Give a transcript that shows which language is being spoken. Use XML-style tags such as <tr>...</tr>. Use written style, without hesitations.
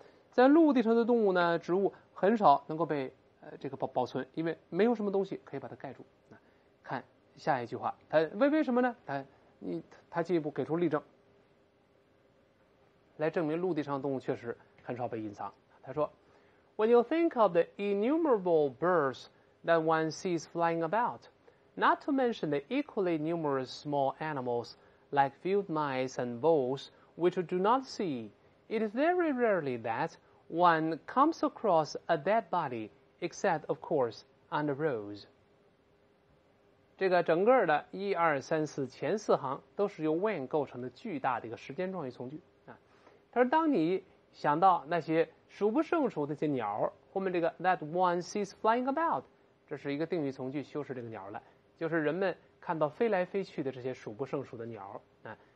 <zh>在陆地上的动物呢，植物很少能够被这个保存，因为没有什么东西可以把它盖住。看下一句话，它为什么呢？它进一步给出例证，来证明陆地上的动物确实很少被隐藏。他说</zh> <en>When you think of the innumerable birds that one sees flying about, not to mention the equally numerous small animals like field mice and voles, which you do not see, it is very rarely that one comes across a dead body, except, of course, on the roads.</en> <zh>这个整个的一二三四前四行都是由 when 构成的巨大的一个时间状语从句啊。他说，当你想到那些数不胜数的这鸟，后面这个</zh> <en>that one sees flying about，</en> <zh>这是一个定语从句修饰这个鸟了，就是人们看到飞来飞去的这些数不胜数的鸟啊。</zh>